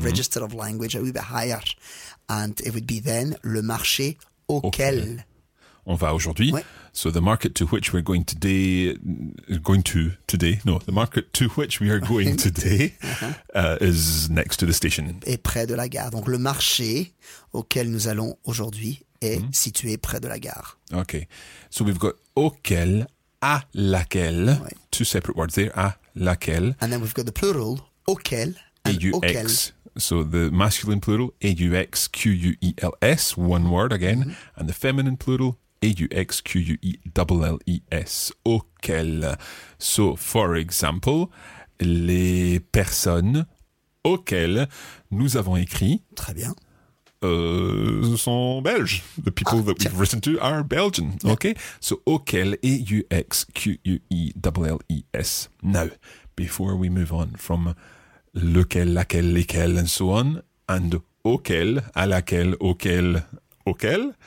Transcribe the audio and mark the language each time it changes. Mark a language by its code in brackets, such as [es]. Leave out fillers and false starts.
[en] register of language, a wee bit higher. And it would be then, [fr] le marché auquel. [en] Okay. [fr] On va aujourd'hui. Oui. [en] So the market to which we're going today, the market to which we are going today is next to the station. [fr] Et près de la gare. Donc le marché auquel nous allons aujourd'hui est mm-hmm. situé près de la gare. [en] Okay. So we've got [fr] auquel, à laquelle, oui. [en] Two separate words there, [fr] à laquelle. [en] And then we've got the plural, auquel, and A-U-X. [fr] Auquel. [en] So the masculine plural, A-U-X-Q-U-E-L-S, one word again, mm-hmm. and the feminine plural, A-U-X-Q-U-E-L-L-E-S. Auquel. So, for example, [fr] les personnes auxquelles nous avons écrit. Très bien. Sont belges. [en] The people that we've written to are Belgian. Yeah. Okay. So, auxquelles, A-U-X-Q-U-E-L-L-E-S. Now, before we move on from lequel, laquelle, lesquelles, and so on, and [fr] auquel, à laquelle, auquel. [en] Auquel?